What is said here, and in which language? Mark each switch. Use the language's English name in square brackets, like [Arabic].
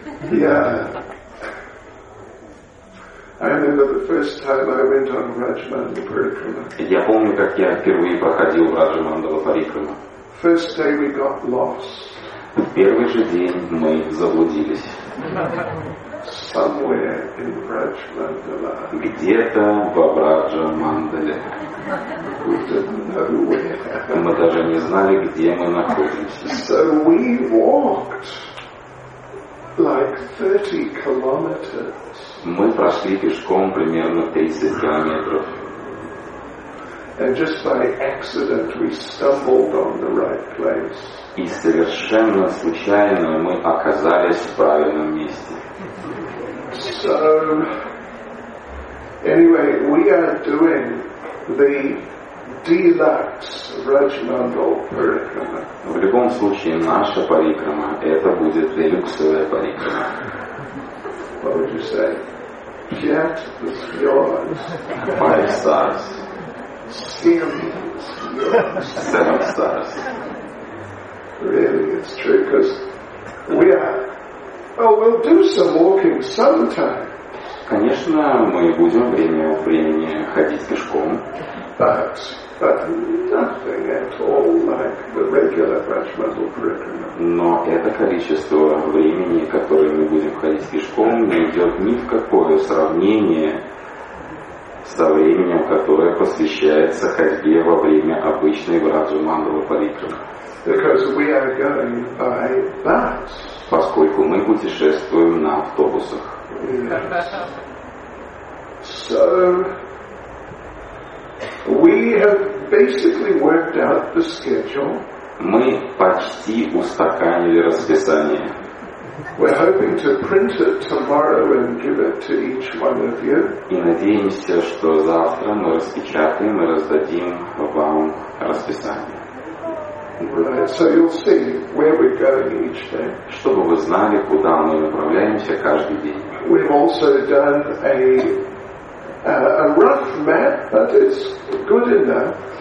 [English] Yeah. I remember the first time I went on Rajmandala Parikrama. [Russian] Я помню, как я впервые проходил Раджамандала Парикрама. [English] First day we got lost. [Russian] В первый же день мы заблудились. [English] Somewhere in Rajmandala. [Russian] Где-то в Раджамандале. [English] We didn't know where. [Russian] Мы даже не знали, где мы находимся. [English] So we walked. Like 30 kilometers. [Russian] Мы прошли пешком примерно 30 километров. [English] And just by accident we stumbled on the right place. [Russian] И совершенно случайно мы оказались в правильном месте. [English] So, anyway, we are doing the Deluxe Rajmandal Parikrama. [Russian] В любом случае, наша парикрама это будет делюксовая парикрама. [English] What would you say? Jet is yours. Five stars. Seven is yours. Seven stars. Really, it's true, because we are... Well, we'll do some walking sometime. [Russian] Конечно, мы будем время от времени ходить пешком. [English] But nothing at all like the regular Rajmandala Parikrama. [Russian] Но это количество времени, которое мы будем ходить пешком, не идет ни в какое сравнение со временем, которое посвящается ходьбе во время обычной Раджамандала Парикрама. [English] Because we are going by bus. [Russian] Поскольку мы путешествуем на автобусах. [English] Yes. So, we have basically worked out the schedule. [Russian] Мы почти устаканили расписание. [English] We're hoping to print it tomorrow and give it to each one of you. [Russian] И надеемся, что завтра мы распечатаем и раздадим вам расписание. [English] Right, so you'll see where we're going each day. [Russian] Чтобы вы знали, куда мы направляемся каждый день. [English] We've also done a rough map, but it's good enough.